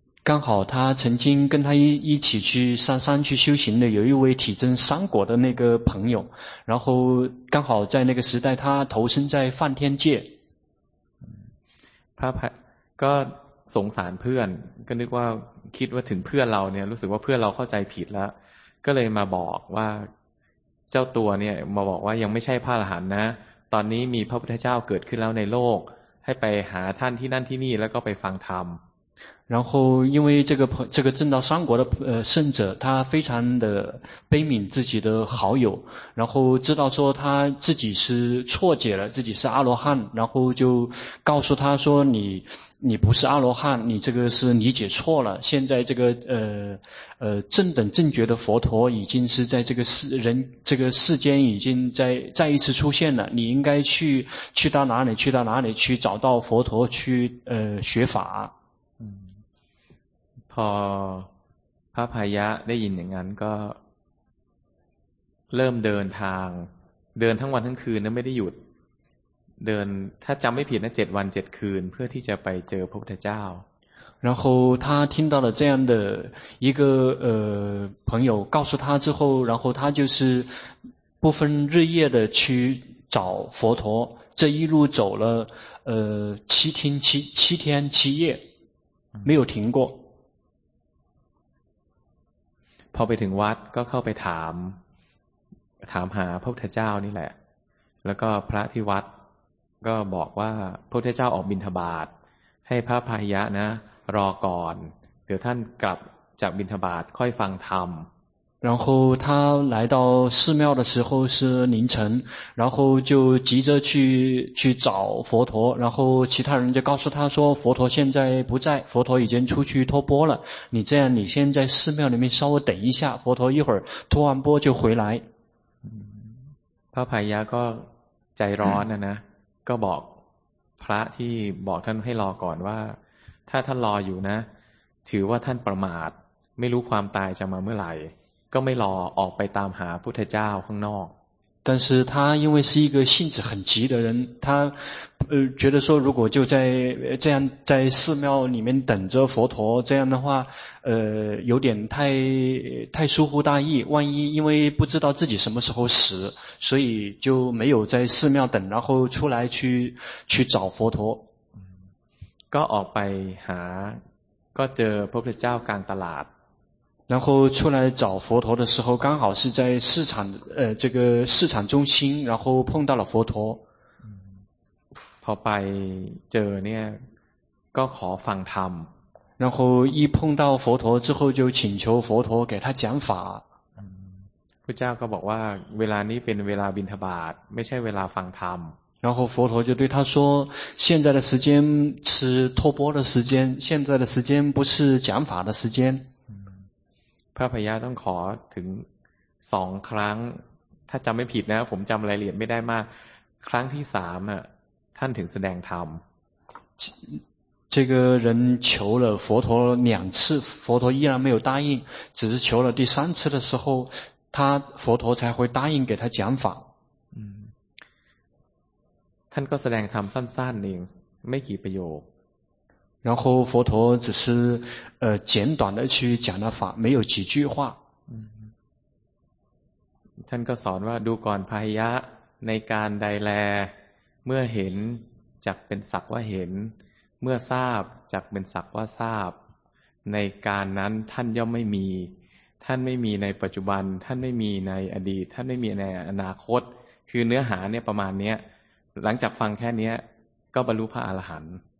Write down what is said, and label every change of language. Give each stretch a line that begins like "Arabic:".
Chinese: 刚好他曾经跟他一起去上山去修行的有一位体证三果的那个朋友，然后刚好在那个时代他投身在梵天界。他拍，
Thai: ก็สงสารเพื่อน，ก็นึกว่าคิดว่าถึงเพื่อนเราเนี่ยรู้สึกว่าเพื่อนเราเข้าใจผิดแล้วก็เลยมาบอกว่าเจ้าตัวเนี่ยมาบอกว่ายังไม่ใช่พระอรหันต์นะตอนนี้มีพระพุทธเจ้าเกิดขึ้นแล้วในโลกให้ไปหาท่านที่นั่นที่นี่แล้วก็ไปฟังธรรม
Chinese: 然后因为这个正道三国的圣者他非常的悲悯自己的好友然后知道说他自己是错解了自己是阿罗汉然后就告诉他说你不是阿罗汉你这个是理解错了现在这个正等正觉的佛陀已经是在这个世间已经再一次出现了你应该去到哪里去找到佛陀去学法
Thai: พอพระพายะได้ยินอย่างนั้นก็เริ่มเดินทางเดินทั้งวันทั้งคืนนะไม่ได้หยุดเดินถ้าจำไม่ผิดนะ7วัน7คืนเพื่อที่จะไปเจอพระพุทธเจ้า
Chinese: 然后他听到了这样的一个朋友告诉他之后然后他就是不分日夜的去找佛陀这一路走了七天七夜没有停过
Thai: พอไปถึงวัดก็เข้าไปถามหาพระพุทธเจ้านี่แหละแล้วก็พระที่วัดก็บอกว่าพระพุทธเจ้าออกบิณฑบาตให้พระพาหิยะนะรอก่อนเดี๋ยวท่านกลับจากบิณฑบาตค่อยฟังธรรม
Chinese: 然后他来到寺庙的时候是凌晨然后就急着去找佛陀然后其他人就告诉他说佛陀现在不在佛陀已经出去托钵了你这样你先在寺庙里面稍微等一下佛陀一会儿托完钵就回来
Thai: พระพายะก็ใจร้อนนะก็บอกพระที่บอกท่านให้รอก่อนว่าถ้าท่านรออยู่นะถือว่าท่านประมาทไม่รู้ความตายจะมาเมื่อไหร่ก็ไม่รอออกไปตามหาพุทธเจ้าข้างนอก
Chinese: 但是他因为是一个性子很急的人，他觉得说如果就在这样在寺庙里面等着佛陀这样的话，有点太疏忽大意，万一因为不知道自己什么时候死，所以就没有在寺庙等，然后出来去找佛陀。
Thai: ก็ออกไปหาก็เจอพระพุทธเจ้ากลางตลาด。
Chinese: 然后出来找佛陀的时候，刚好是在市场，这个市场中心，然后碰到了佛陀。
Thai: พอไปเจอเนี่ยก็ขอฟังธรรม。
Chinese: 然后一碰到佛陀之后，就请求佛陀给他讲法。
Thai: พระเจ้าก็บอกว่าเวลานี้เป็นเวลาบิณฑบาตไม่ใช่เวลาฟังธรรม。
Chinese: 然后佛陀就对他说，现在的时间是托钵的时间，现在的时间不是讲法的时间。
Thai: พระพยาต้องขอถึง2ครั้งถ้าจำไม่ผิดนะผมจำรายละเอียดไม่ได้มากครั้งที่3อ่ะท่านถึงแสดงธรรม
Chinese: 这个人求了佛陀两次佛陀依然没有答应只是求了第三次的时候他佛陀才会答应给他讲法
Thai: ท่านก็แสดงธรรมสั้นๆเองไม่กี่ประโยค
Chinese: 然后佛陀只是简短的去讲了法没有几句话
Thai: ท่านก็สอนว่าดูก่อนพหิยะในการใดแลเมื่อเห็นจักเป็นสักว่าเห็นเมื่อทราบจักเป็นสักว่าทราบในการนั้นท่านย่อมไม่มีท่านไม่มีในปัจจุบันท่านไม่มีในอดีตท่านไม่มีในอนาคตคือเนื้อหาเนี่ยประมาณนี้หลังจากฟังแค่นี้ก็บรรลุพระอรหันต์